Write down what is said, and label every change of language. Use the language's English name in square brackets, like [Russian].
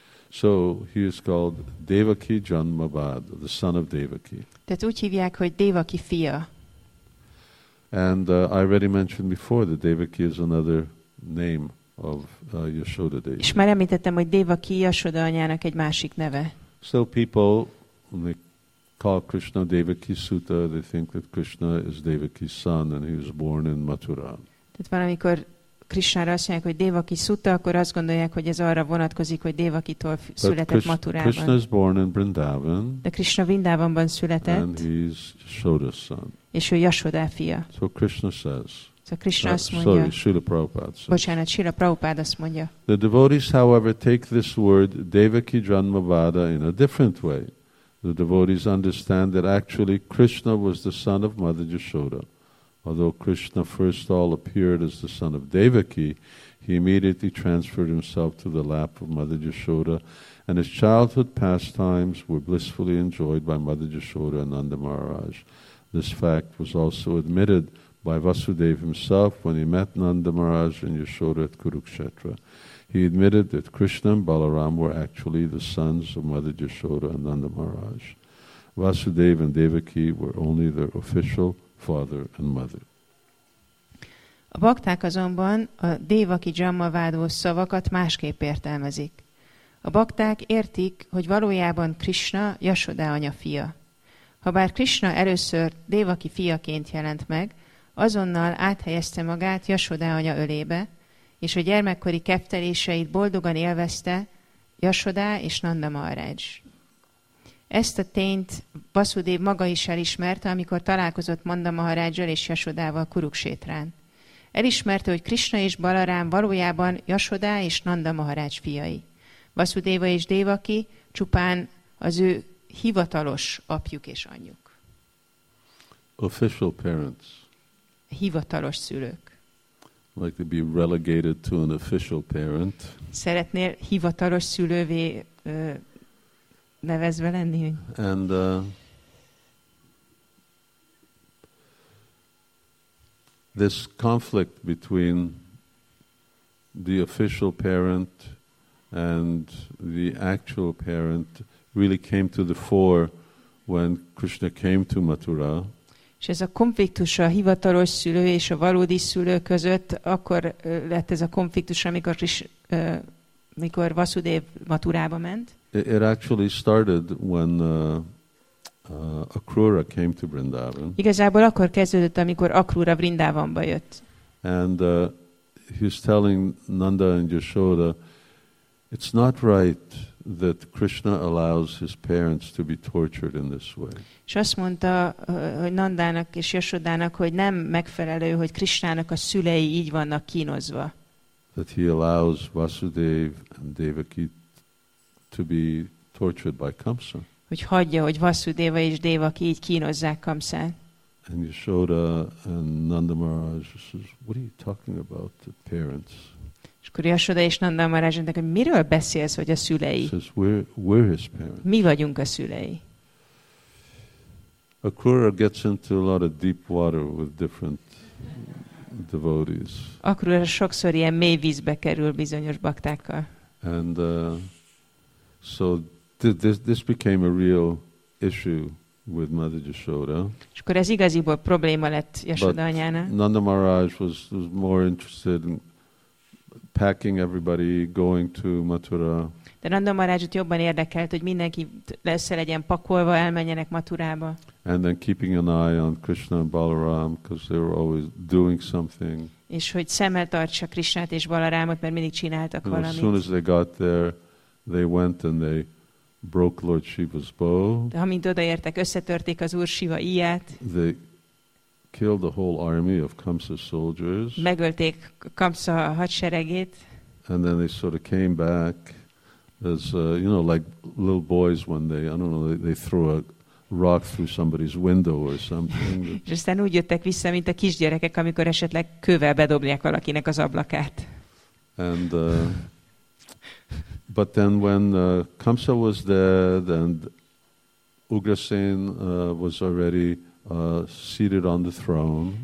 [English] So he is called Devaki Janmavado, the son of Devaki. [Hungarian] Tehát úgy hívják, hogy Devaki fia. [English] And I already mentioned before that Devaki is another name of Yashoda Devi. [Hungarian] És már említettem, hogy Devaki Yashoda anyának egy másik neve. [English] So people, when they call Krishna Devaki Sutta, they think that Krishna is Devaki's son and he was born in Mathura. [Hungarian] Tehát valamikor Krishnára azt mondják, hogy Devaki Sutta, akkor azt gondolják, hogy ez arra vonatkozik, hogy Devakitól született Mathurában. [English] Krishna is born in Vrindavan. [Hungarian] De Krishna Vrindavanban született. [English] And he's Yashoda's son. [Hungarian] És ő Yashoda fia. [English] So Krishna says. [Hungarian] So Krishna azt mondja. [English] Sorry, Srila Prabhupada says. [Hungarian] Bocsánat, Srila Prabhupada azt mondja. [English] The devotees, however, take this word Devaki Janmavada in a different way. The devotees understand that actually Krishna was the son of Mother Yashoda. Although Krishna first of all appeared as the son of Devaki, he immediately transferred himself to the lap of Mother Yashoda, and his childhood pastimes were blissfully enjoyed by Mother Yashoda and Nanda Maharaj. This fact was also admitted by Vasudev himself when he met Nanda Maharaj and Yashoda at Kurukshetra. He admitted that Krishna and Balaram were actually the sons of Mother Yashoda and Nanda Maharaj. Vasudev and Devaki were only their official father and mother. [Hungarian] A bakták azonban a Devaki Janmavádó szavakat másképp értelmezik. A bakták értik, hogy valójában Krishna Yashoda anya fia. Habár Krishna először Devaki fiaként jelent meg, azonnal áthelyezte magát Yashoda anya ölébe, és a gyermekkori kefteléseit boldogan élvezte Yashoda és Nanda Maharaj. Ezt a tényt Vasudev maga is elismerte, amikor találkozott Nanda Maharajjal és Yashodával Kuruksétrán. Elismerte, hogy Krishna és Balaram valójában Yashoda és Nanda Maharaj fiai. Vasudeva és Devaki csupán az ő hivatalos apjuk és anyjuk. [English] official parents. [Hungarian] Hivatalos szülők. [English] Like to be relegated to an official parent. [Hungarian] Szeretnél hivatalos szülővé nevezve lenni? [English] And this conflict between the official parent and the actual parent really came to the fore when Krishna came to Mathura. [Hungarian] És ez a konfliktus a hivatalos szülő és a valódi szülő között, akkor lett ez a konfliktus, amikor mikor Vasudev Mathurába ment. [English] It actually started when Akrura came to Vrindavan. [Hungarian] Igazából akkor kezdődött, amikor Akrura Vrindavanba jött. [English] And he's telling Nanda and Yashoda, it's not right that Krishna allows his parents to be tortured in this way. [Hungarian] És azt mondta Nandának és Yashodának, hogy nem megfelelő, hogy Krishnának a szülei így vannak kínozva. [English] That he allows Vasudev and Devaki to be tortured by Kamsa. [Hungarian] Hogy hagyja, hogy Vasudeva és Devaki így kínozzák Kamsát. [English] And Yashoda and Nanda Maharaj says, what are you talking about, the parents? [Hungarian] És akkor Yashoda és Nanda Maharaj mondták, hogy miről beszélsz, hogy a szülei? [English] Says, we're his parents. [Hungarian] Mi vagyunk a szülei. [English] Akrura gets into a lot of deep water with different devotees. [Hungarian] Akrura sokszor ilyen mély vízbe kerül bizonyos baktákkal. [English] And so this became a real issue with Mother Yashoda. [Hungarian] És akkor ez igaziból probléma lett Yashoda anyának. [English] Nanda Maharaj was more interested in packing everybody, going to Mathura. [Hungarian] De Nanda Maharajot jobban érdekelt, hogy mindenki össze legyen pakolva, elmenjenek Mathurába. [English] And then keeping an eye on Krishna and Balaram, because they were always doing something. [Hungarian] És hogy szemmel tartsa Krishnát és Balarámot, mert mindig csináltak valamit. [English] As soon as they got there, they went and they broke Lord Shiva's bow. [Hungarian] De amint odaértek, összetörték az Úr Shiva íját. [English] They killed the whole army of Kamsa's soldiers. [Hungarian] Megölték Kamsa hadseregét. [English] And then they sort of came back as you know, like little boys when they throw a rock through somebody's window or something. [Hungarian] És aztán úgy jöttek vissza, mint a kisgyerekek, amikor esetleg kővel bedobják valakinek az ablakát. [English] And but then when Kamsa was dead and Ugrasen was already seated on the throne.